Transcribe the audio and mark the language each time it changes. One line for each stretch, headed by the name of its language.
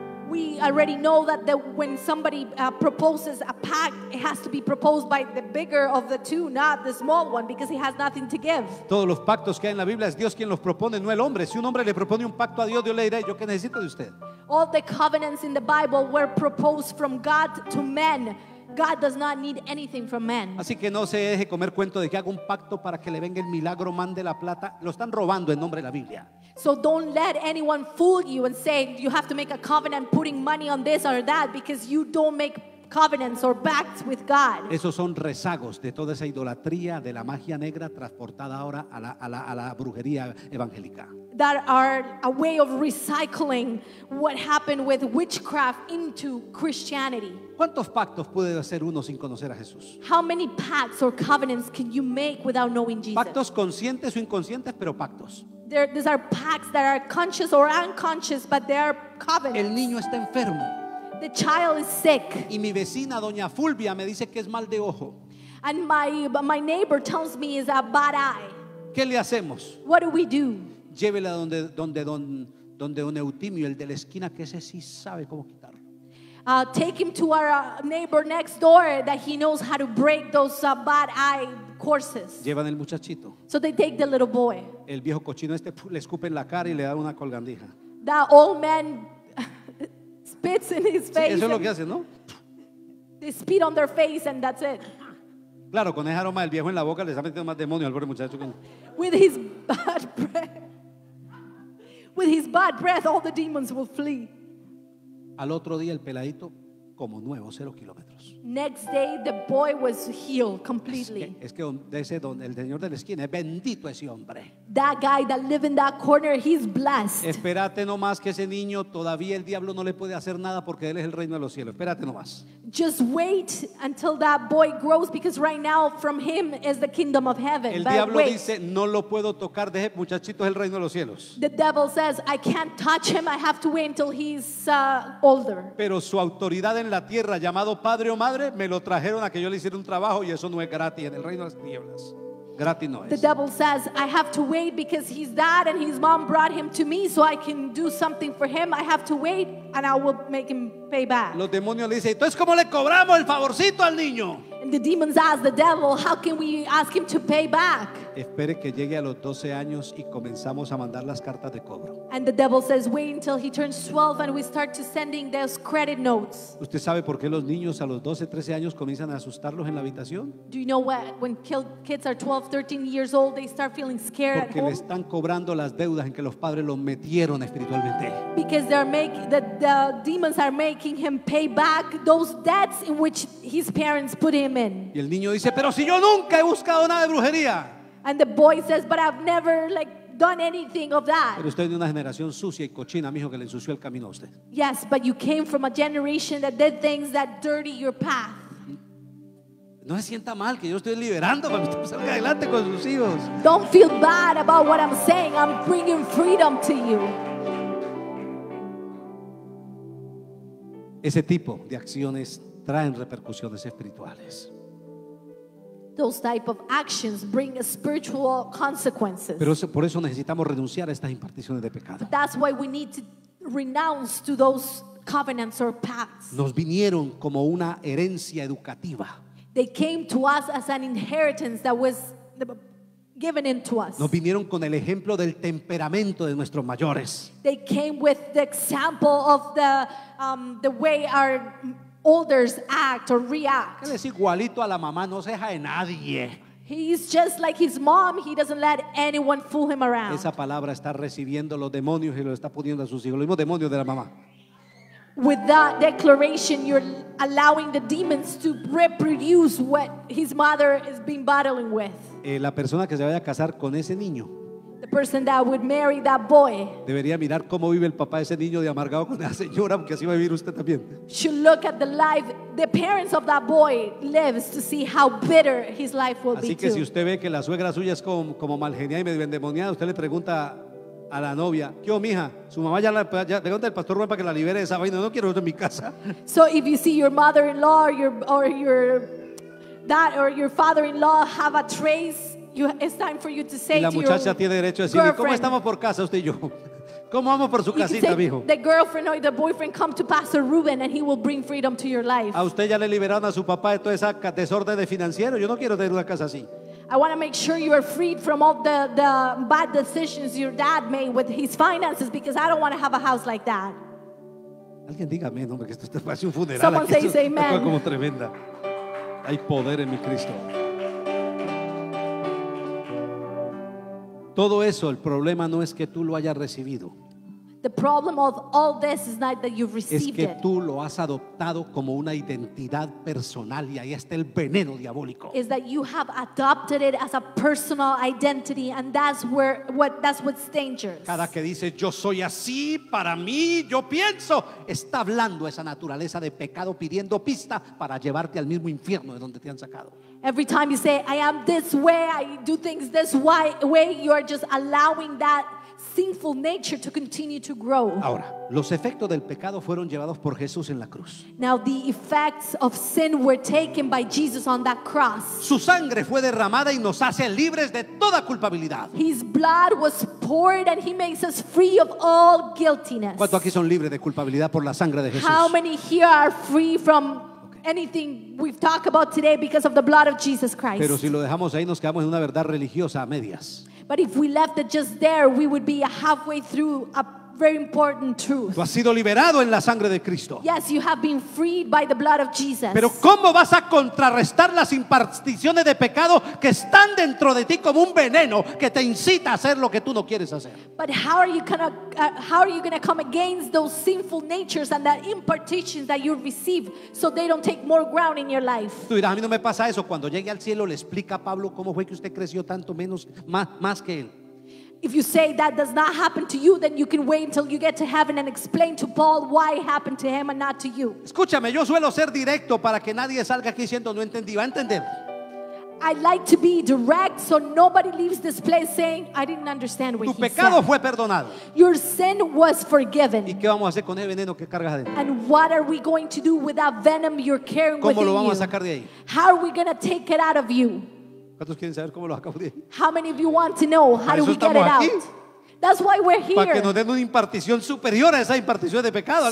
English: We already know that the, when somebody proposes a pact, it has to be proposed by the bigger of the two, not the small one, because he has nothing to give.
Spanish: Todos los pactos que hay en la Biblia es Dios quien los propone, no el hombre. Si un hombre le propone un pacto a Dios, Dios le dirá, ¿yo qué necesito de usted?
English: All the covenants in the Bible were proposed from God to men. God does not need anything from men.
Spanish: Así que no se deje comer cuento de que haga un pacto para que le venga el milagro, mande la plata. Lo están robando en nombre de la Biblia.
English: So don't let anyone fool you and say you have to make a covenant putting money on this or that because you don't make covenants or pacts with God.
Spanish: Esos son rezagos de toda esa idolatría de la magia negra transportada ahora a la brujería evangélica.
English: That are a way of recycling what happened with witchcraft into Christianity.
Spanish: ¿Cuántos pactos puede hacer uno sin conocer a Jesús?
English: How many pacts or covenants can you make without knowing Jesus?
Spanish: Pactos conscientes o inconscientes, pero pactos.
English: These are pacts that are conscious or unconscious, but they are covenants.
Spanish: El niño está enfermo.
English: The child is sick.
Spanish: Y mi vecina doña Fulvia me dice que es mal de ojo.
English: And my neighbor tells me is a bad eye.
Spanish: ¿Qué le hacemos?
English: What do we do?
Spanish: Llévela donde don Eutimio, el de la esquina, que ese sí sabe cómo quitarlo.
English: Take him to our neighbor next door that he knows how to break those bad eye courses.
Spanish: Llevan el muchachito.
English: So they take the little boy.
Spanish: El viejo cochino este le escupe en la cara y le da una colgandija.
English: That old man spits in his face.
Spanish: Sí, eso es lo que hace, ¿no?
English: They spit on their face and that's it.
Spanish: Claro, con ese aroma del viejo en la boca le está metiendo más demonio al pobre muchacho.
English: With his bad breath. With his bad breath, all the demons will flee.
Spanish: Al otro día el peladito como nuevo, cero kilómetros.
English: Next day the boy was healed completely.
Spanish: Es que el señor de la esquina es bendito ese hombre.
English: That guy that live in that corner, he's blessed.
Spanish: Espérate nomás que ese niño todavía el diablo no le puede hacer nada porque él es el reino de los cielos. Espérate nomás.
English: Just wait until that boy grows because right now from him is the kingdom of heaven.
Spanish: El diablo dice, no lo puedo tocar, deje muchachito, es el reino de los cielos.
English: The devil says, I can't touch him, I have to wait until he's older.
Spanish: Pero su autoridad en la tierra, llamado padre o madre, me lo trajeron a que yo le hiciera un trabajo y eso no es gratis en el reino de las tinieblas. Gratis no es.
English: The devil says, I have to wait because his dad and his mom brought him to me so I can do something for him. I have to wait and I will make him pay back.
Spanish: Los demonios le dicen, entonces ¿cómo le cobramos el favorcito al niño?
English: And the demons ask the devil, how can we ask him to pay back?
Spanish: Espere que llegue a los 12 años y comenzamos a mandar las cartas de cobro.
English: And the devil says, wait until he turns 12 and we start to sending those credit notes.
Spanish: ¿Usted sabe por qué los niños a los 12, 13 años comienzan a asustarlos en la habitación?
English: Do you know what? When kids are 12, 13 years old, they start feeling scared at home.
Spanish: Porque le están cobrando las deudas en que los padres los metieron espiritualmente.
English: Because the demons are making him pay back those debts in which his parents put him in.
Spanish: Y el niño dice, pero si yo nunca he buscado nada de brujería.
English: And the boy says, but I've never like done anything of that.
Spanish: Pero usted es de una generación sucia y cochina, mijo, que le ensució el camino a usted.
English: Yes, but you came from a generation that did things that dirty your path.
Spanish: No se sienta mal que yo estoy liberando para que usted salga adelante con sus hijos.
English: Don't feel bad about what I'm saying. I'm bringing freedom to you.
Spanish: Ese tipo de acciones traen repercusiones espirituales.
English: Those type of actions bring spiritual consequences.
Spanish: Pero por eso necesitamos renunciar a estas imparticiones de pecado.
English: But that's why we need to renounce to those covenants or pacts.
Spanish: Nos vinieron como una herencia educativa.
English: They came to us as an inheritance that was given into us.
Spanish: Nos vinieron con el ejemplo del temperamento de nuestros mayores.
English: They came with the example of the way our elders act or react.
Spanish: Él es igualito a la mamá, no se deja de nadie.
English: He's just like his mom. He doesn't let anyone fool him around.
Spanish: Esa palabra está recibiendo los demonios y lo está poniendo a sus hijos. Los mismos demonios de la mamá.
English: With that declaration, you're allowing the demons to reproduce what his mother has been battling with.
Spanish: La persona que se vaya a casar con ese niño.
English: The person that would marry that boy.
Spanish: Debería mirar cómo vive el papá de ese niño de amargado con la señora, porque así va a vivir usted también.
English: Should look at the life the parents of that boy lives to see how bitter his life will
Spanish: así Así que
English: too.
Spanish: Si usted ve que la suegra suya es como malgeniada y medio endemoniada, usted le pregunta a la novia, ¿qué o mija? Su mamá ya le pregunta al pastor Rubén para que la libere de esa vaina. No quiero eso en mi casa.
English: So if you see your mother-in-law or your father-in-law have a trace, it's time for you to say to your girlfriend.
Spanish: La muchacha tiene derecho a decir, ¿cómo estamos por casa usted y yo? ¿Cómo vamos por su casita, mijo?
English: The girlfriend or the boyfriend come to Pastor Ruben and he will bring freedom to your life.
Spanish: A usted ya le liberaron a su papá de toda esa desorden de financiero. Yo no quiero tener una casa así.
English: I want to make sure you are freed from all the bad decisions your dad made with his finances because I don't want to have a house like that.
Spanish: Alguien diga amén, hombre, que esto parece un funeral.
English: Someone say amen.
Spanish: Como tremenda. Hay poder en mi Cristo. Todo eso, el problema no es que tú lo hayas recibido.
English: The problem of all this is not that you've received
Spanish: it. Es que tú lo has adoptado como una identidad personal y ahí está el veneno diabólico.
English: Is that you have adopted it as a personal identity and that's what's dangerous.
Spanish: Cada que dice yo soy así, para mí, yo pienso, está hablando esa naturaleza de pecado pidiendo pista para llevarte al mismo infierno de donde te han sacado.
English: Every time you say I am this way, I do things this way, you are just allowing that sinful nature to continue to grow.
Spanish: Ahora, los efectos del pecado fueron llevados por Jesús en la cruz.
English: Now the effects of sin were taken by Jesus on that cross.
Spanish: Su sangre fue derramada y nos hace libres de toda culpabilidad.
English: His blood was poured and he makes us free of all guiltiness.
Spanish: ¿Cuántos aquí son libres de culpabilidad por la sangre de Jesús?
English: How many here are free from anything we've talked about today because of the blood of Jesus Christ?
Spanish: Pero si lo dejamos ahí, nos quedamos en una verdad religiosa a medias.
English: But if we left it just there, we would be halfway through a very important truth.
Spanish: Tú has sido liberado en la sangre de Cristo.
English: Yes, you have been freed by the blood of Jesus.
Spanish: Pero ¿cómo vas a contrarrestar las imparticiones de pecado que están dentro de ti como un veneno que te incita a hacer lo que tú no quieres hacer?
English: But how are you gonna come against those sinful natures and that impartitions that you receive so they don't take more ground in your life?
Spanish: Tú dirás, a mí no me pasa eso. Cuando llegue al cielo le explica a Pablo cómo fue que usted creció tanto menos más que él.
English: If you say that does not happen to you, then you can wait until you get to heaven and explain to Paul why it happened to him and not to you.
Spanish: Escúchame, yo suelo ser directo para que nadie salga aquí diciendo no entendí. Va a entender.
English: I like to be direct so nobody leaves this place saying I didn't understand what he said.
Spanish: Tu pecado fue perdonado.
English: Your sin was forgiven.
Spanish: ¿Y qué vamos a hacer con el veneno que cargas adentro?
English: And what are we going to do with that venom you're carrying within you?
Spanish: ¿Cómo lo vamos a sacar de ahí?
English: How are we going to take it out of you?
Spanish: ¿Cuántos quieren saber cómo lo acabo de decir?
English: How many of you want to know how do we get it out?
Spanish: Aquí.
English: That's why we're here.
Spanish: Para que nos den una impartición superior a esa impartición de pecado.